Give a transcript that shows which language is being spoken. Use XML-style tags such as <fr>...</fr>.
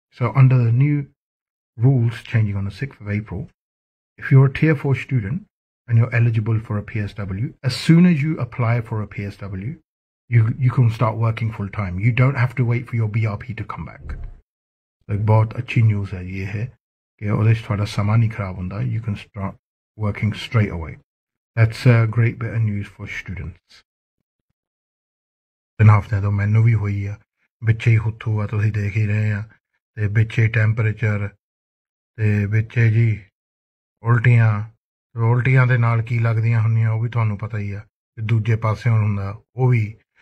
<en>So under the new rules changing on the 6th of April, if you are Tier 4 student and you are eligible for a PSW, as soon as you apply for a PSW, you can start working full time, you don't have to wait for your BRP to come back.</en> <pa>ਬਹੁਤ ਅੱਛੀ news ਹੈ ਜੀ ਇਹ ਕਿ ਉਹਦੇ 'ਚ ਤੁਹਾਡਾ ਸਮਾਂ ਨਹੀਂ ਖਰਾਬ ਹੁੰਦਾ,</pa> <en>You can start working straight away. That's a great bit of news for students.</en> <pa>ਤਿੰਨ ਹਫ਼ਤਿਆਂ ਤੋਂ ਮੈਨੂੰ ਵੀ ਹੋਈ ਆ, ਵਿੱਚੇ ਹੀ ਹੁੱਥੂ ਆ ਤੁਸੀਂ ਦੇਖ ਹੀ ਰਹੇ ਆ, ਅਤੇ ਵਿੱਚੇ ਟੈਂਪਰੇਚਰ, ਅਤੇ ਵਿੱਚੇ ਜੀ ਉਲਟੀਆਂ, ਉਲਟੀਆਂ ਦੇ ਨਾਲ ਕੀ ਲੱਗਦੀਆਂ ਹੁੰਦੀਆਂ ਉਹ ਵੀ ਤੁਹਾਨੂੰ ਪਤਾ ਹੀ ਆ, ਅਤੇ ਦੂਜੇ ਪਾਸੇ ਹੁਣ ਹੁੰਦਾ ਉਹ ਵੀ।</pa>